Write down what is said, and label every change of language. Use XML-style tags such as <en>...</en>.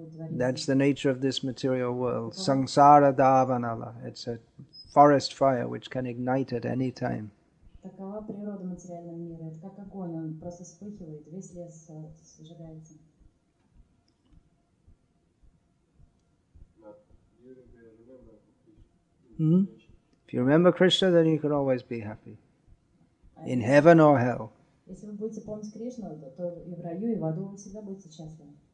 <en>That's the nature of this material world. Sangsara Dhavanala. It's a forest fire which can ignite at any time.</en> <ru>Такова природа материального мира. Это как огонь, он просто вспыхивает, весь лес сжигается. Mm-hmm.</ru> <en>If you remember Krishna, then you can always be happy. In heaven or hell.</en> <ru>Если вы будете помнить Кришну, то и в раю, и в аду вы всегда будете счастливы.</ru>